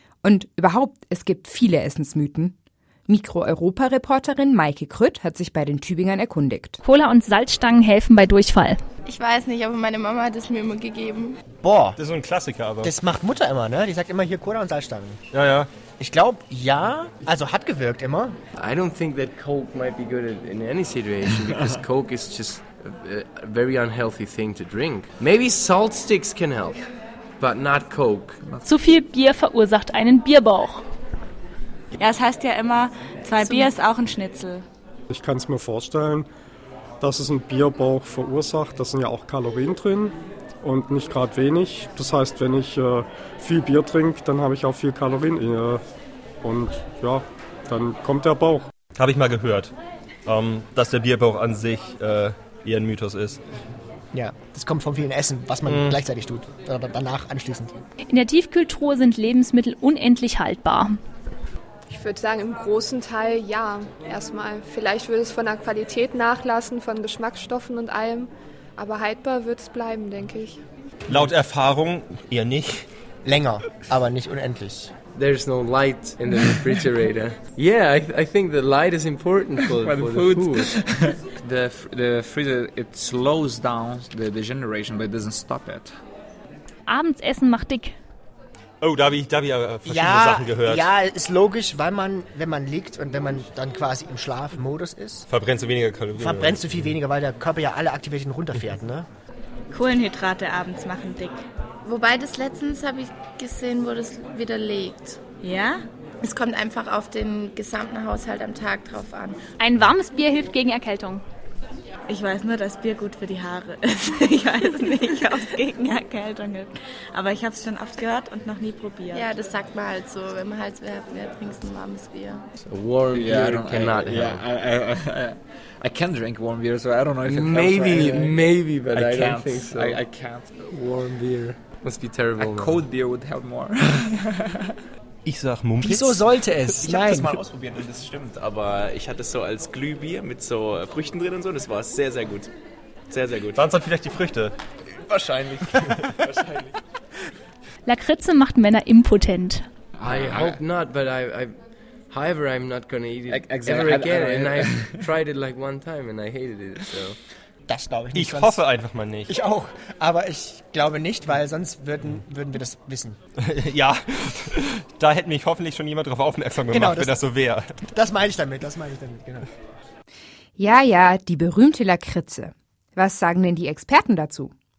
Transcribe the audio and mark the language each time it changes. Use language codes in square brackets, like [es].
[de] Und überhaupt, es gibt viele Essensmythen. Mikro-Europa-Reporterin Maike Krütt hat sich bei den Tübingern erkundigt. Cola und Salzstangen helfen bei Durchfall. Ich weiß nicht, aber meine Mama hat es mir immer gegeben. Boah. Das ist so ein Klassiker, aber. Das macht Mutter immer, ne? Die sagt immer hier Cola und Salzstangen. Ja, ja. Ich glaube, ja. Also hat gewirkt immer. [en] I don't think that Coke might be good in any situation, because Coke is just a very unhealthy thing to drink. Maybe salt sticks can help, but not Coke. [de] Zu viel Bier verursacht einen Bierbauch. Ja, es heißt ja immer, zwei Bier ist auch ein Schnitzel. Ich kann es mir vorstellen, dass es einen Bierbauch verursacht. Da sind ja auch Kalorien drin und nicht gerade wenig. Das heißt, wenn ich viel Bier trinke, dann habe ich auch viel Kalorien. Und ja, dann kommt der Bauch. Habe ich mal gehört, dass der Bierbauch an sich eher ein Mythos ist. Ja, das kommt von vielen Essen, was man gleichzeitig tut. Oder danach anschließend. In der Tiefkühltruhe sind Lebensmittel unendlich haltbar. Ich würde sagen, im großen Teil ja, erstmal. Vielleicht würde es von der Qualität nachlassen, von Geschmacksstoffen und allem. Aber haltbar wird es bleiben, denke ich. Laut Erfahrung eher nicht. Länger, aber nicht unendlich. [en] There's no light in the refrigerator. Yeah, I think the light is important for the food. The freezer, it slows down the degeneration, but it doesn't stop it. [de] Abendsessen macht dick. Oh, da hab ich verschiedene Sachen gehört. Ja, ist logisch, weil man, wenn man liegt und wenn man dann quasi im Schlafmodus ist, verbrennst du weniger Kalorien. Verbrennst du viel weniger, weil der Körper ja alle Aktivitäten runterfährt, ne? Kohlenhydrate abends machen dick. Wobei das letztens habe ich gesehen, wurde es widerlegt. Ja? Es kommt einfach auf den gesamten Haushalt am Tag drauf an. Ein warmes Bier hilft gegen Erkältung. Ich weiß nur, dass Bier gut für die Haare ist. Ich weiß nicht, ob es gegen Erkältung hilft. Aber ich habe es schon oft gehört und noch nie probiert. Ja, das sagt man halt so. Wenn man halt wer trinkst ein warmes Bier. [en] A warm beer cannot help. I can drink warm beer, so I don't know if it helps. Maybe, but I don't think so. I can't. Warm beer. Must be terrible. Cold beer would help more. [de] Ich sag Mumpitz. Wieso sollte es? Ich habe das mal ausprobiert und das stimmt, aber ich hatte es so als Glühbier mit so Früchten drin und so und es war sehr, sehr gut. Sehr, sehr gut. Waren es dann vielleicht die Früchte? Wahrscheinlich. Lakritze macht Männer impotent. [en] I hope not, but However, I'm not gonna eat it ever again. And I tried it like one time and I hated it. So. [de] Das glaube ich nicht. Ich hoffe einfach mal nicht. Ich auch. Aber ich glaube nicht, weil sonst würden wir das wissen. Ja, da hätte mich hoffentlich schon jemand drauf aufmerksam gemacht, genau, wenn das so wäre. Das meine ich damit, genau. Ja, die berühmte Lakritze. Was sagen denn die Experten dazu?